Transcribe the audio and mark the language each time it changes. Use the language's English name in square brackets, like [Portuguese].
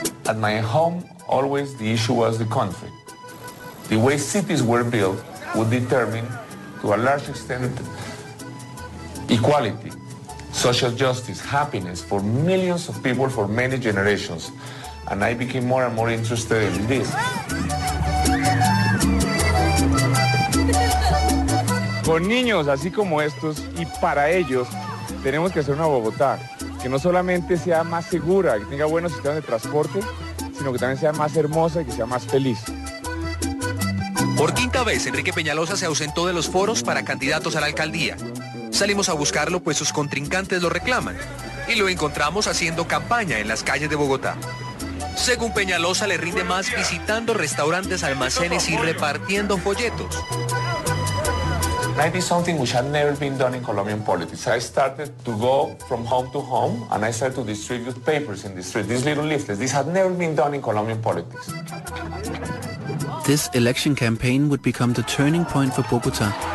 [English] At my home, always the issue was the country. The way cities were built would determine, to a large extent, equality, social justice, happiness for millions of people for many generations. And I became more and more interested in this. [Spanish] Con niños así como estos y para ellos, tenemos que hacer una Bogotá que no solamente sea más segura, que tenga buenos sistemas de transporte, sino que también sea más hermosa y que sea más feliz. Por quinta vez, Enrique Peñalosa se ausentó de los foros para candidatos a la alcaldía. Salimos a buscarlo, pues sus contrincantes lo reclaman, y lo encontramos haciendo campaña en las calles de Bogotá. Según Peñalosa, le rinde más visitando restaurantes, almacenes y repartiendo folletos. [English] I did something which had never been done in Colombian politics. I started to go from home to home, and I started to distribute papers in the street, these little leaflets. This had never been done in Colombian politics. This election campaign would become the turning point for Bogotá.